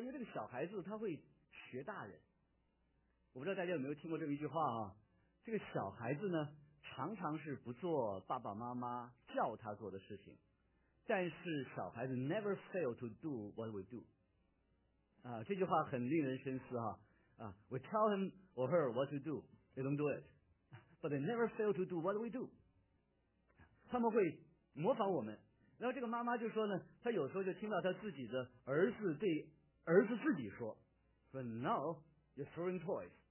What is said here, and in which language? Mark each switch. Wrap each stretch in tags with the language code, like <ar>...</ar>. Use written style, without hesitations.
<zh>因为这个小孩子他会学大人。我不知道大家有没有听过这么一句话啊，这个小孩子呢常常是不做爸爸妈妈叫他做的事情，但是小孩子</zh> <en>never fail to do what we do</en> <zh>啊，这句话很令人深思啊。</zh> <en>We tell him or her what to do, they don't do it, but they never fail to do what we do。</en> <zh>他们会模仿我们。然后这个妈妈就说呢，她有时候就听到她自己的儿子对儿子自己说，说</zh> <en>No, you're throwing toys.</en>